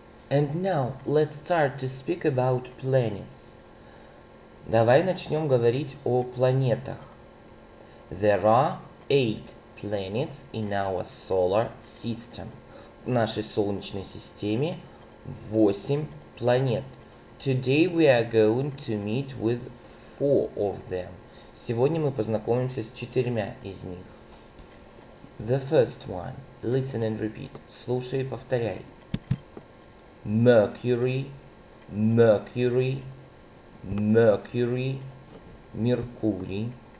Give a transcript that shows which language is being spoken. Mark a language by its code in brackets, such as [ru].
[en] And now let's start to speak about planets. [ru] Давай начнем говорить о планетах. [en] There are 8 planets in our solar system. [ru] В нашей Солнечной системе 8 планет. [en] Today we are going to meet with 4 of them. [ru] Сегодня мы познакомимся с 4 из них. [en] The first one. Listen and repeat. [ru] Слушай и повторяй. [en] Mercury, Mercury, Mercury, Mercury.